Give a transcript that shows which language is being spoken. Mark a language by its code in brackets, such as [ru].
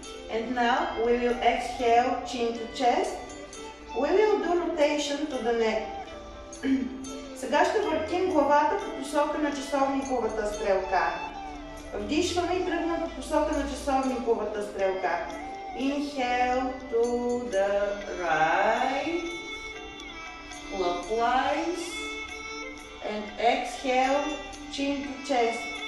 [en] And now we will exhale chin to chest. We will do rotation to the neck. [bg] Сега ще въртим главата по посока на часовниковата стрелка. Вдишваме и тръгнем по посока на часовниковата стрелка. [en] Inhale to the right, clockwise, and exhale, chin to chest.